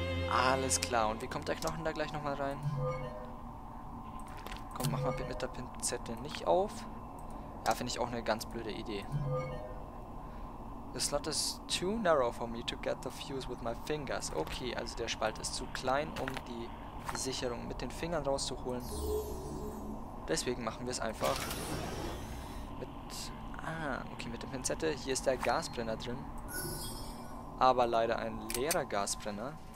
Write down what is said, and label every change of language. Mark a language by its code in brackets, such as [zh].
[de] Alles klar, und wie kommt der Knochen da gleich nochmal rein? Komm, mach mal mit der Pinzette nicht auf. Ja, finde ich auch eine ganz blöde Idee. [en] The slot is too narrow for me to get the fuse with my fingers. [de] Okay, also der Spalt ist zu klein, um die Sicherung mit den Fingern rauszuholen. Deswegen machen wir es einfach mit... Ah, okay, mit der Pinzette. Hier ist der Gasbrenner drin. Aber leider ein leerer Gasbrenner.